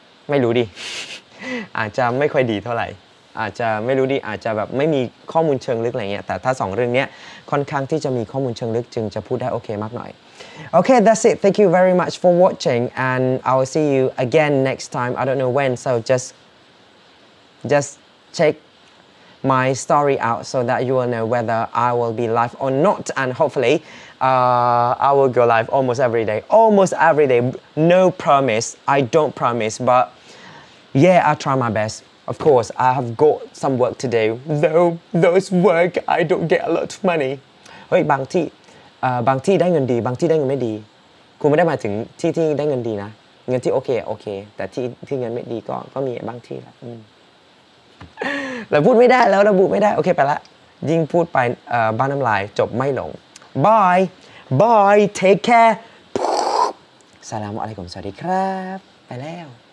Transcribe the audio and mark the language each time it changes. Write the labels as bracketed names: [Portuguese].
[Thai] ไม่รู้ดิอาจจะไม่ค่อยดีเท่าไหร่อาจจะไม่รู้ดิอาจจะแบบไม่มีข้อมูลเชิงลึกอะไรเงี้ยแต่ถ้า2เรื่องเนี้ยค่อนข้างที่จะมีข้อมูลเชิงลึกจึงจะพูดได้โอเคมากหน่อยโอเค [English] that's it thank you very much for watching and I'll see you again next time I don't know when so just checkMy story out so that you will know whether I will be live or not, and hopefully, I will go live almost every day. Almost every day, no promise. I don't promise, but yeah, I try my best. Of course, I have got some work to do. Though those work, I don't get a lot of money. [Thai] Hey, บางที่ได้เงินดีบางที่ได้เงินไม่ดีคุณไม่ได้หมายถึงที่ที่ได้เงินดีนะเงินที่โอเคแต่ที่เงินไม่ดีก็มีบางที่ละเราพูดไม่ได้แล้วระบุไม่ได้โอเคไปละยิ่งพูดไปบ้านน้ำลายจบไม่ลง [English] Bye Take care [Thai] สลามอะไรกับสวัสดีครับไปแล้ว